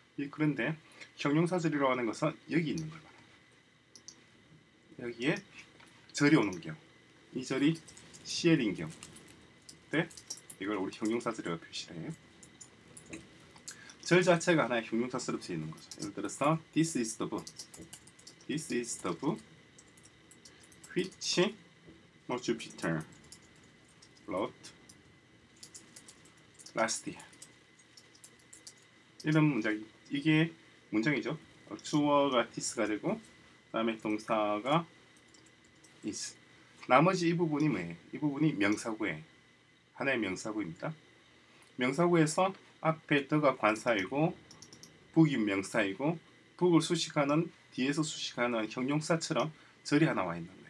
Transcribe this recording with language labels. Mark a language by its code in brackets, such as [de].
[ko] 그런데 형용사절이라고 하는 것은 여기 있는 걸 말합니다. 여기에 절이 오는 경우, 이 절이 CL인 경우 때 이걸 우리 형용사절이라고 표시를 해요. 절 자체가 하나의 형용사절로 되어 있는 거죠. 예를 들어서 [en] This is the book. This is the book which Jupiter wrote last year. [ko] 이런 문장이 이게 문장이죠. 주어가 this가 되고 그 다음에 동사가 is. 나머지 이 부분이 뭐예요? 이 부분이 명사구예요. 하나의 명사구입니다. 명사구에서 앞에 the가 관사이고 book이 명사이고 book을 수식하는 뒤에서 수식하는 형용사처럼 절이 하나 와 있는 거예요.